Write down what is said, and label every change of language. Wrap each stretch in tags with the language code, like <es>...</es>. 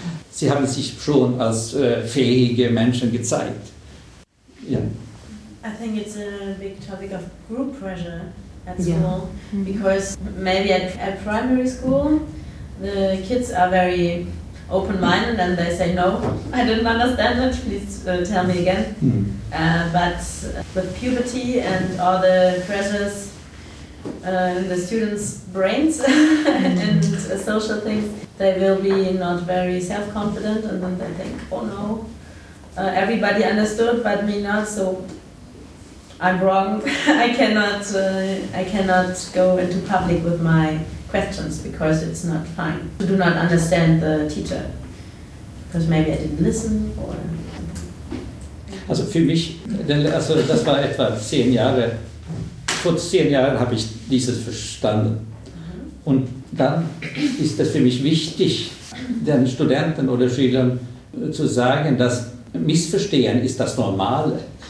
<de>Sie haben sich schon als fähige Menschen gezeigt.</de> <en>Yeah. I think it's a big topic of group pressure at school. Yeah. Because maybe at primary school, the kids are very open-minded and they say, no, I didn't understand it, please tell me again. Mm. But with puberty and all the pressures in the students' brains and social things, they will be not very self-confident, and then they think, oh no, everybody understood but me not, so I'm wrong. I cannot go into public with my questions because it's not fine to do not understand the teacher, because maybe I didn't listen or...</en> <de>Also für mich, also das war etwa 10 Jahre. Vor 10 Jahren habe ich dieses verstanden. Und dann ist es für mich wichtig, den Studenten oder Schülern zu sagen, dass Missverstehen ist das Normale.</de>